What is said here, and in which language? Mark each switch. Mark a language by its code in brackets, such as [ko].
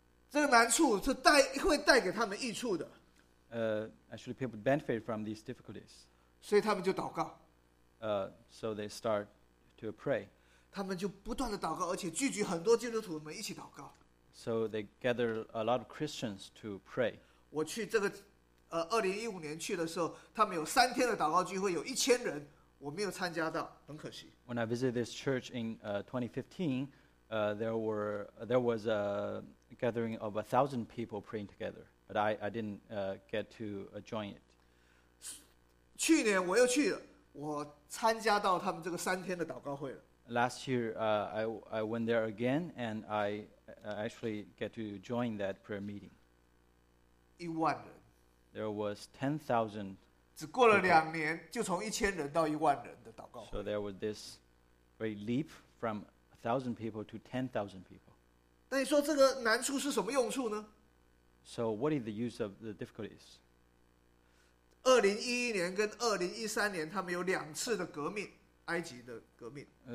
[zh] 这个难处是会带给他们益处的。 [en] Actually, people benefit from these difficulties. [zh] 所以他们就祷告。 [en] So they start to pray. [zh] 他们就不断的祷告，而且聚集很多基督徒们一起祷告。 [en] So they gather a lot of Christians to pray. [zh] 我去这个，2015年去的时候，他们有三天的祷告聚会，有一千人，我没有参加到，很可惜。 [en] When I visited this church in 2015, there was a gathering of 1,000 people praying together. But I didn't get to join it. [zh] 去年我又去了，我参加到他们这个三天的祷告会了。 [en] Last year, I went there again, and I actually get to join that prayer meeting. [zh] 一万人。 [en] There was 10,000. [zh] 只过了两年，就从一千人到一万人的祷告会。 [en] So there was this great leap from 1,000 people to 10,000 people. [zh] 那你说这个难处是什么用处呢？ [en] So what is the use of the difficulties? [zh] 2011年跟2013年他们有两次的革命，埃及的革命。